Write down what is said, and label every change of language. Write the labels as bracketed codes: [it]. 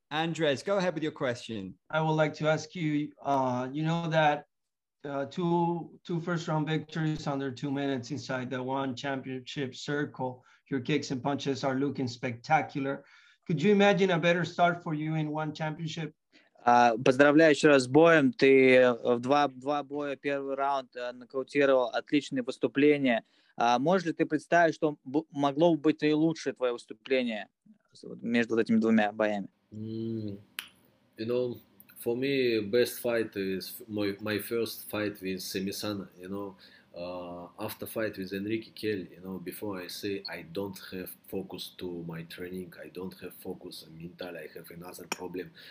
[en] Andres, go ahead with your question. I would like to ask you. You know that two first round victories under 2 minutes inside the ONE Championship circle. Your kicks and punches are looking spectacular. Could you imagine a better start for you in ONE Championship? [ru] Поздравляю еще раз с боем. Ты в два боя первый раунд нокаутировал отличные выступления. Можешь ли ты представить, что могло бы быть и лучше твое выступление между вот этими двумя боями? [en] You know, for me, best fight is my first fight with Semisana, you know. After fight with Enrique Kelly, you know, before I say I don't have focus to my training, I don't have focus mental, I have another problem.